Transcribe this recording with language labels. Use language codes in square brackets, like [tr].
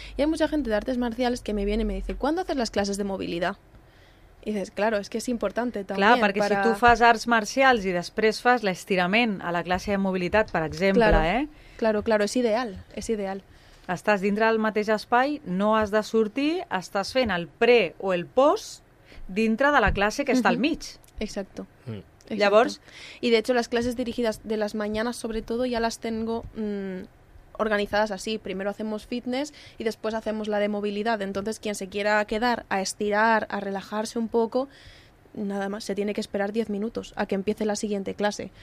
[es] Y hay mucha gente de artes marciales que me viene y me dice, "¿Cuándo haces las clases de movilidad?" I dices, claro, es que es importante también. [ca] Clar, perquè para... si tu fas arts marcials i després fas l'estirament a la classe de mobilitat, per exemple, [es] claro, eh? Claro, claro, es ideal. [ca] Estàs dintre del mateix espai, no has de sortir, estàs fent el pre o el post dintre de la classe que està al mig. [es] Exacto. [ca] Llavors... [es] Y de hecho las clases dirigidas de las mañanas, sobre todo, ya las tengo... organizadas así, primero hacemos fitness y después hacemos la de movilidad. Entonces, quien se quiera quedar a estirar, a relajarse un poco, nada más, se tiene que esperar 10 minutos a que empiece la siguiente clase.